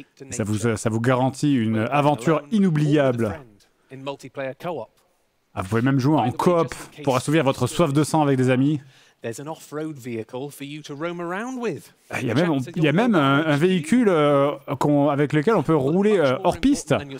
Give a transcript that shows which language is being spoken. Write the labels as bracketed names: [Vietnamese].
[French] Ça vous garantit une aventure inoubliable. Ah, vous pouvez même jouer en coop pour assouvir votre soif de sang avec des amis. [English] There's an off-road vehicle for you to roam around with. [French] Il y a même un véhicule avec lequel on peut rouler hors piste.